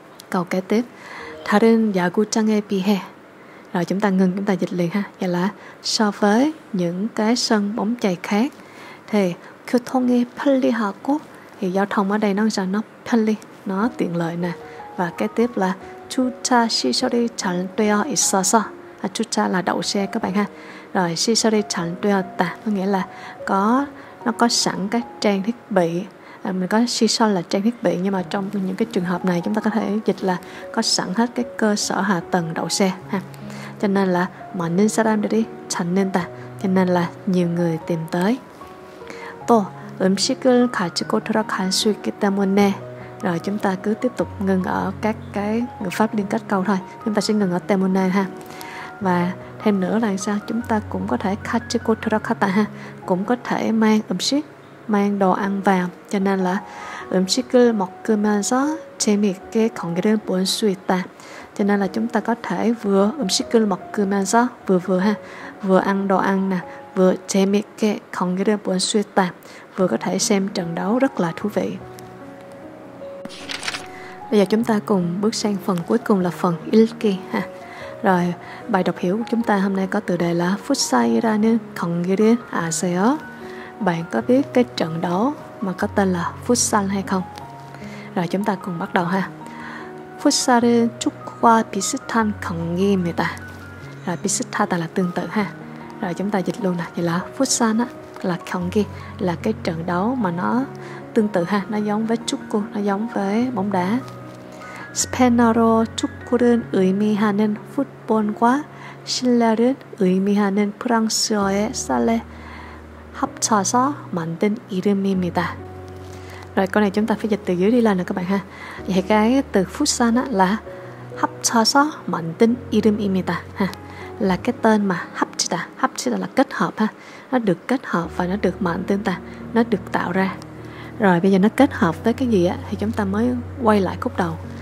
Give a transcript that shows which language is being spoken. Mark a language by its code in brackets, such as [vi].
[vi] Câu kế tiếp, [ko] 다른 야구장에 비해. [vi] Rồi chúng ta ngừng, chúng ta dịch liền ha. Vậy là so với những cái sân bóng chạy khác thì [ko] 교통이 편리하고, [vi] thì giao thông ở đây nó sao? Nó 편리, nó tiện lợi nè. Và kế tiếp là [ko] 주차 시설이 잘 되어 있어서. [vi] 주차 là đậu xe các bạn ha. Rồi [ko] 시설이 잘 되어 있다 [vi] có nghĩa là có, nó có sẵn các trang thiết bị. Mình có 시설 là trang thiết bị, nhưng mà trong những cái trường hợp này chúng ta có thể dịch là có sẵn hết cái cơ sở hạ tầng đậu xe ha. Cho nên là [ko] 많은 사람들이 찾는다, [vi] cho nên là nhiều người tìm tới. [ko] 또 음식을 가지고 들어갈 수 있기 때문에. [vi] Rồi chúng ta cứ tiếp tục ngừng ở các cái ngữ pháp liên kết câu thôi, chúng ta sẽ ngừng ở 때문에 ha. Và thêm nữa là sao? Chúng ta cũng có thể [ko] 가지고 들어갔다 [vi] ha, cũng có thể mang 음식, mang đồ ăn vào. Cho nên là [ko] 음식을 먹으면서 재미있게 경기를 볼 수 있다, [vi] Cho nên là chúng ta có thể vừa [ko] 음식을 먹으면서 [vi] vừa ha, vừa ăn đồ ăn nè, vừa [ko] 재밌게 경기를 볼 수 있다, [vi] vừa có thể xem trận đấu rất là thú vị. Bây giờ chúng ta cùng bước sang phần cuối cùng là phần 읽기 ha. Rồi, bài đọc hiểu của chúng ta hôm nay có tựa đề là [ko] 풋살이라는 경기를 아세요? [vi] Bạn có biết cái trận đấu mà có tên là 풋살 hay không? Rồi chúng ta cùng bắt đầu ha. [ko] 풋살은 축구와 비슷한 경기입니다. [vi] Rồi 비슷하다 là tương tự ha. Rồi chúng ta dịch luôn nè, vậy là 풋살 á là 경기, là cái trận đấu mà nó tương tự ha, nó giống với 축구, nó giống với bóng đá. [ko] 스페너로 축구를 의미하는 풋볼과 신뢰를 의미하는 프랑스어의 살레 합쳐서 만든 이름입니다. [vi] Rồi câu này chúng ta phải dịch từ dưới đi lên nè các bạn ha. Vậy cái từ 풋살 á là [ko] 합쳐서 만든 이름입니다 [vi] ha. Là cái tên mà 합치다. 합치다 là kết hợp ha. Nó được kết hợp và nó được mạnh tên ta. Nó được tạo ra. Rồi bây giờ nó kết hợp với cái gì á thì chúng ta mới quay lại khúc đầu.